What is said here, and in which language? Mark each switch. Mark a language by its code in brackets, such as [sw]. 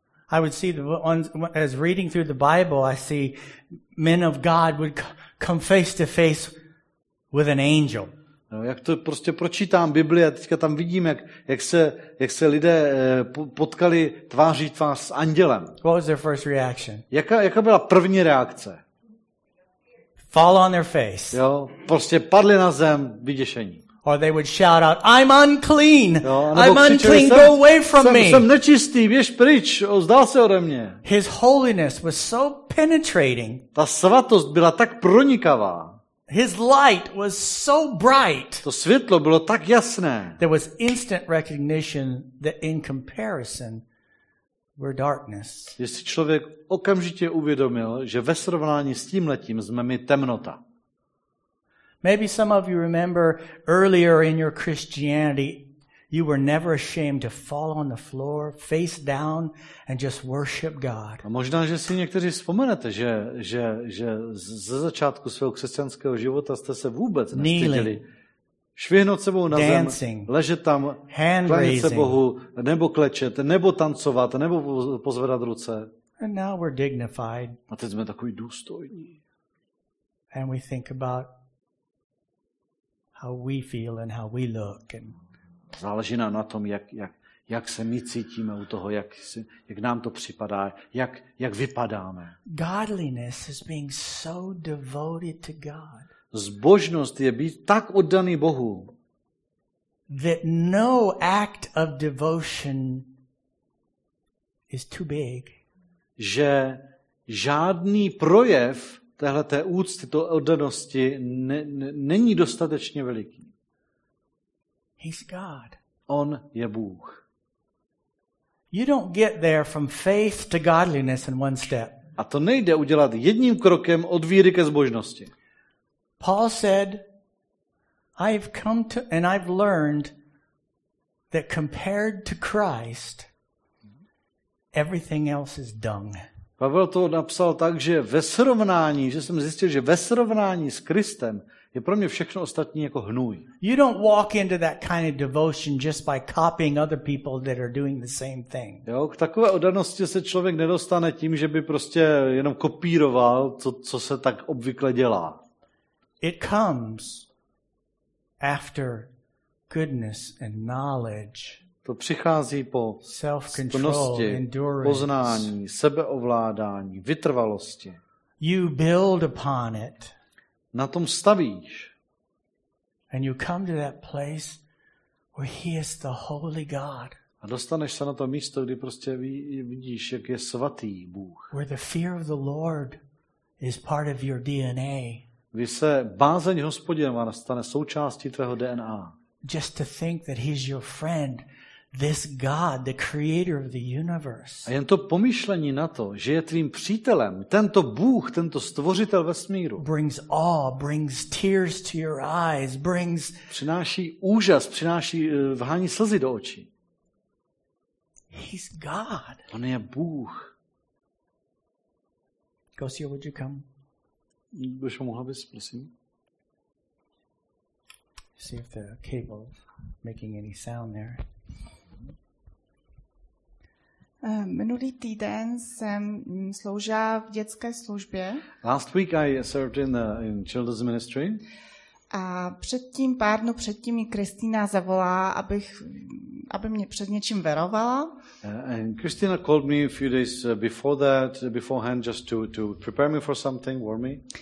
[en] I would see the ones as reading through the Bible, I see men of God would come face to face with an angel. [cs] No, jak to prostě pročítám Bibli a teďka tam vidím, jak se lidé potkali tváří tvář s andělem. [en] What was their first reaction? [cs] Jaká byla první reakce? [en] Fall on their face. [cs] Jo, prostě padli na zem vyděšení. [en] Or they would shout out, I'm unclean, jo, I'm unclean, go away from me. [cs] Jsem nečistý, běž pryč, vzdál se ode mě. [en] His holiness was so penetrating. [cs] Ta svatost byla tak pronikavá. [en] His light was so bright. [cs] To světlo bylo tak jasné. [en] There was instant recognition that in comparison were darkness. [cs] Že si člověk okamžitě uvědomil, že ve srovnání s tímhletím jsme my temnota. [en] Maybe some of you remember earlier in your Christianity, you were never ashamed to fall on the floor, face down, and just worship God. [cs] A možná, že si někteří vzpomenete, že ze začátku svého křesťanského života jste se vůbec nestyděli. Švihnout sebou na [en] dancing, [cs] zem, ležet tam, [en] hand [cs] klanit se Bohu, nebo klečet, nebo tancovat, nebo pozvedat ruce. [en] And now we're dignified. [cs] A teď jsme takový důstojní. [en] And we think about how we feel and how we look and [cs] záleží nám na tom, jak se my cítíme u toho, jak nám to připadá, jak vypadáme. [en] Godliness is being so devoted to God. [cs] Zbožnost je být tak oddaný Bohu. [en] That no act of devotion is too big. [cs] Že žádný projev téhleté úcty, to oddanosti není dostatečně veliký. [en] He's God. [cs] On je Bůh. [en] You don't get there from faith to godliness in one step. [cs] A to nejde udělat jedním krokem od víry ke zbožnosti. [en] Paul said, I've come to and I've learned that compared to Christ, everything else is dung. [cs] Pavel to napsal tak, že ve srovnání, že jsem zjistil, že ve srovnání s Kristem je pro mě všechno ostatní jako hnůj. [en] You don't walk into that kind of devotion just by copying other people that are doing the same thing. [cs] Jo, k takové oddanosti se člověk nedostane tím, že by prostě jenom kopíroval to, co se tak obvykle dělá. [en] It comes after goodness and knowledge. [cs] To přichází po plnosti, poznání, sebeovládání, vytrvalosti. [en] You build upon it. [cs] Na tom stavíš. [en] And you come to that place where he is the holy God. [cs] A dostaneš se na to místo, kdy prostě vidíš, jak je svatý Bůh. [en] Where the fear of the Lord is part of your DNA. [cs] Kdy se bázeň Hospodinova stane součástí tvého DNA. [en] Just to think that he's your friend, this God, the creator of the universe. [cs] A jen to pomyšlení na to, že je tvým přítelem, tento Bůh, tento stvořitel vesmíru. [en] Brings awe, brings tears to your eyes, brings [cs] přináší úžas, přináší vhání slzy do očí. [en] He's God. [cs] On je Bůh. [en] Gosia, would you come? [cs] Bys mohla bys, prosím? [en] See if the cable is making any sound there. [cs] Minulý týden jsem sloužila v dětské službě. [en] Last week I served in children's ministry. [cs] A předtím, pár dnů předtím, mi Kristýna zavolala, aby mě před něčím varovala. [en] And Kristýna called me a few days before that, beforehand, just to prepare me for something, warn me.